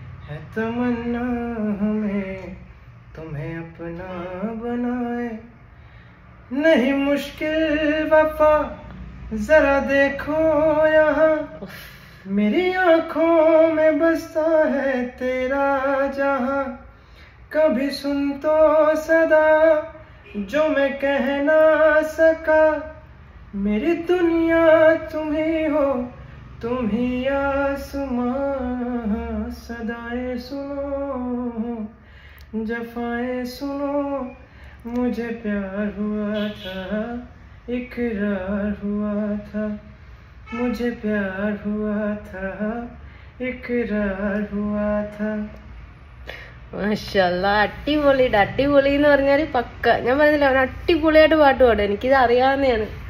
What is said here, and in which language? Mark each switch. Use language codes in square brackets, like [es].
[hi] है तमन्ना हमें तुम्हें अपना बनाए. नहीं मुश्किल वफा, जरा देखो यहाँ, मेरी आंखों में बसता है तेरा जहाँ. कभी सुन तो सदा जो मैं कह ना सका, मेरी दुनिया तुम्ही हो तुम्ही आसमां. सदाए सुनो जफाए सुनो मुझे प्यार हुआ था इकरार हुआ था. मुझे प्यार हुआ था इकरार हुआ था. [ml] മാഷല്ല, അടിപൊളി. അടിപൊളി എന്ന് പറഞ്ഞാല് പക്ക. ഞാൻ പറഞ്ഞില്ല അവൻ അടിപൊളിയായിട്ട് പാട്ട് പാടും, എനിക്കിത് അറിയാവുന്നതാണ്.